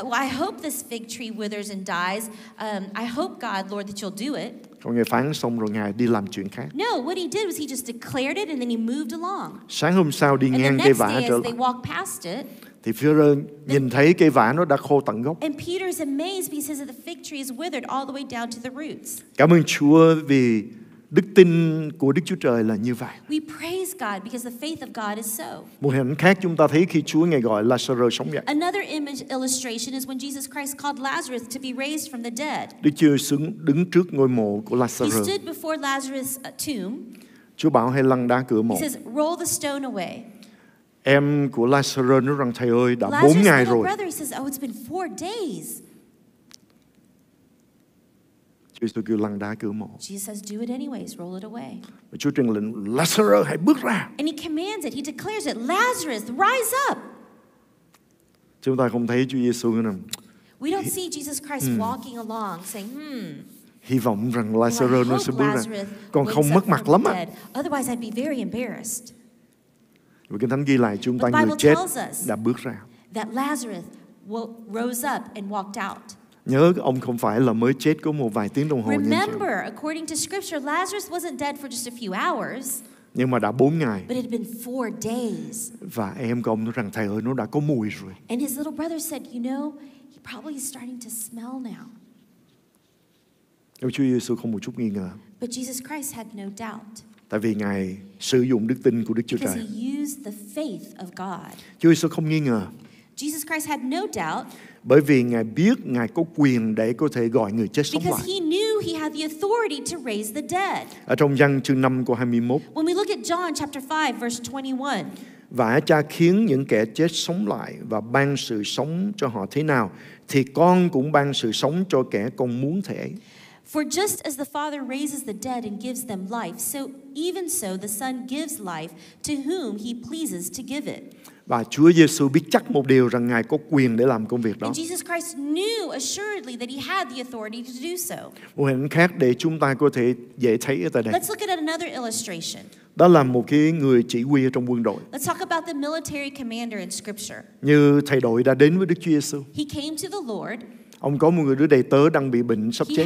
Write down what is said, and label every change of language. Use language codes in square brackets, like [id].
[en] I hope this fig tree withers and dies. I hope God, Lord, that you'll do it. [vi] Còn Ngài phán xong rồi Ngài đi làm chuyện khác. [en] No, what he did was he just declared it and then he moved along. [vi] Sáng hôm sau đi ngang cây vả trở lại. [en] They walk past it. [vi] Thì Phi-rơ nhìn thấy cây vả nó đã khô tận gốc. [en] And Peter is amazed because he says that the fig tree is withered all the way down to the roots. [vi] Cảm ơn Chúa vì đức tin của Đức Chúa Trời là như vậy. [en] We praise God because the faith of God is so. [vi] Một hình khác chúng ta thấy khi Chúa Ngài gọi Lazarus sống dậy. [en] Another image illustration is when Jesus Christ called Lazarus to be raised from the dead. [vi] Đức Chúa xuống đứng trước ngôi mộ của Lazarus. [en] He stood before Lazarus' tomb. [vi] Chúa bảo hãy lăn đá cửa mộ. [en] He says, roll the stone away. [vi] Em của Lazarus nói rằng thầy ơi đã 4 ngày rồi. [en] Brother, he says, oh, it's been 4 days. [vi] Chúa Giêsu kêu lăn đá cửa mộ. [en] Jesus says, do it anyways, roll it away. [vi] Và Chúa truyền lệnh Lazarus hãy bước ra. [en] And he commands it, he declares it, Lazarus, rise up. [vi] Chúng ta không thấy Chúa Giêsu nữa. [en] We don't see Jesus Christ walking along, saying, hmm. [vi] Hy vọng rằng Lazarus nó sẽ bước ra. Còn không mất mặt lắm á. [en] Otherwise, I'd be very embarrassed. [vi] Và Kinh Thánh ghi lại chúng ta người chết đã bước ra. [en] That Lazarus rose up and walked out. [vi] Nhớ ông không phải là mới chết có một vài tiếng đồng hồ. [en] Remember, according to scripture, Lazarus wasn't dead for just a few hours. [vi] Nhưng mà đã 4 ngày. [en] But it had been 4 days. [vi] Và em của ông nói rằng thầy ơi nó đã có mùi rồi. [en] And his little brother said, you know, he probably is starting to smell now. [vi] Chúa Giêsu không một chút nghi ngờ. [en] But Jesus Christ had no doubt. [vi] Tại vì Ngài sử dụng đức tin của Đức Chúa Trời. [en] Because he used the faith of God. [vi] Chúa Giêsu không nghi ngờ. [en] Jesus Christ had no doubt. [vi] Bởi vì Ngài biết Ngài có quyền để có thể gọi người chết sống lại. [en] Because he knew he had the authority to raise the dead. [vi] Ở trong Giăng chương 5 câu 21. [en] When we look at John chapter 5 verse 21. [vi] Và Cha khiến những kẻ chết sống lại và ban sự sống cho họ thế nào thì Con cũng ban sự sống cho kẻ Con muốn thể. [en] For just as the Father raises the dead and gives them life, so even so the Son gives life to whom he pleases to give it. [vi] Và Chúa Giêsu biết chắc một điều rằng Ngài có quyền để làm công việc đó. [en] And Jesus Christ knew assuredly that he had the authority to do so. [vi] Một hình khác để chúng ta có thể dễ thấy ở tại đây. [en] Let's look at another illustration. [vi] Đó là một cái người chỉ huy trong quân đội. [en] Let's talk about the military commander in scripture. [vi] Như thầy đội đã đến với Đức Chúa Giêsu. [en] He came to the Lord. [vi] Ông có một người đứa đầy tớ đang bị bệnh sắp chết.